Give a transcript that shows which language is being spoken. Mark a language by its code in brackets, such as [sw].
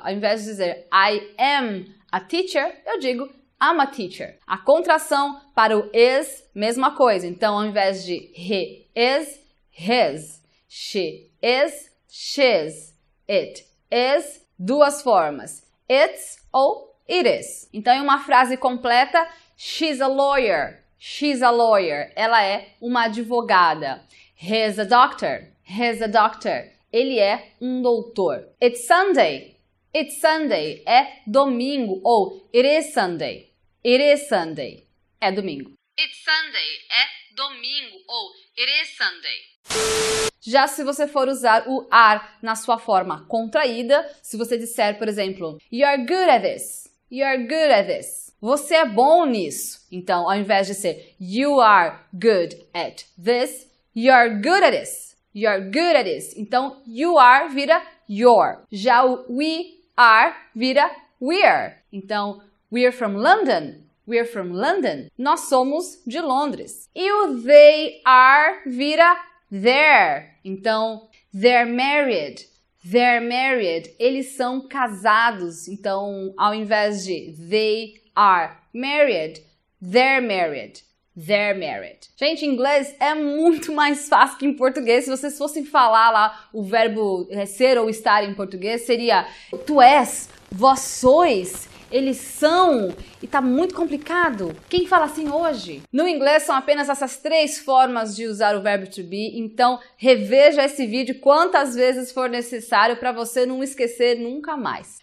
[pt] Ao invés de dizer [en] I am a teacher, [pt] eu digo [en] I'm a teacher. [pt] A contração para o is, mesma coisa. Então, ao invés de [en] he is, his. She is, she's. It is, [pt] duas formas. [en] It's [pt] ou [en] it is. [pt] Então, em uma frase completa, [en] she's a lawyer. She's a lawyer. [pt] Ela é uma advogada. [en] He's a doctor. He's a doctor. [pt] ele é um doutor. [en] It's Sunday. It's Sunday. [pt] É domingo. Ou [en] it is Sunday. It is Sunday. [pt] É domingo. [en] It's Sunday. [pt] É domingo. Ou [en] it is Sunday. [pt] Já se você for usar o are na sua forma contraída, se você disser, por exemplo, [en] you're good at this. You're good at this. [pt] Você é bom nisso. Então, ao invés de ser [en] you are good at this, you're good at this. You're good at this. [pt] Então, [en] you are [pt] vira [en] your. [pt] Já o [en] we are [pt] vira [en] we're. [pt] Então, [en] we're from London. We're from London. [pt] Nós somos de Londres. E o [en] they are [pt] vira [en] they're. [pt] Então, [en] they're married. They're married. [pt] Eles são casados. Então, ao invés de [en] they are married, they're married. They're married. [pt] Gente, inglês é muito mais fácil que em português. Se vocês fossem falar lá o verbo ser ou estar em português, seria tu és, vós sois, eles são, e tá muito complicado. Quem fala assim hoje? No inglês são apenas essas três formas de usar o verbo to be, então reveja esse vídeo quantas vezes for necessário para você não esquecer nunca mais.